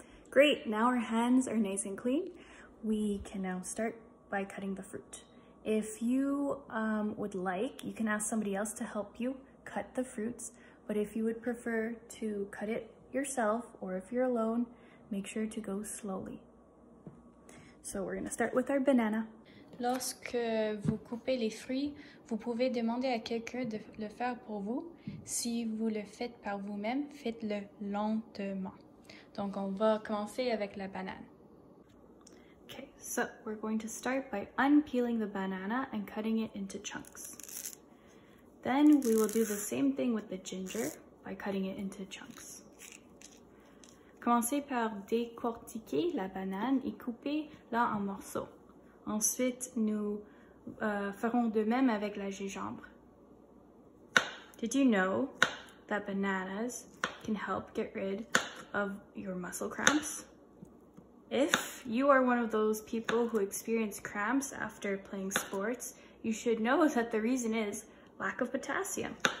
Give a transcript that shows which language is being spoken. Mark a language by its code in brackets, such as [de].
[en] Great, now our hands are nice and clean. We can now start by cutting the fruit. If you would like, you can ask somebody else to help you cut the fruits, but if you would prefer to cut it yourself or if you're alone, make sure to go slowly. So we're gonna start with our banana. [fr] Lorsque vous coupez les fruits, vous pouvez demander à quelqu'un de le faire pour vous. Si vous le faites par vous-même, faites-le lentement. Donc, on va commencer avec la banane. [en] Okay, so we're going to start by unpeeling the banana and cutting it into chunks. Then we will do the same thing with the ginger by cutting it into chunks. [fr] Commencez par décortiquer la banane et coupez-la en morceaux. Ensuite, nous ferons de même avec la gingembre. [en] Did you know that bananas can help get rid of your muscle cramps? If you are one of those people who experience cramps after playing sports, you should know that the reason is lack of potassium.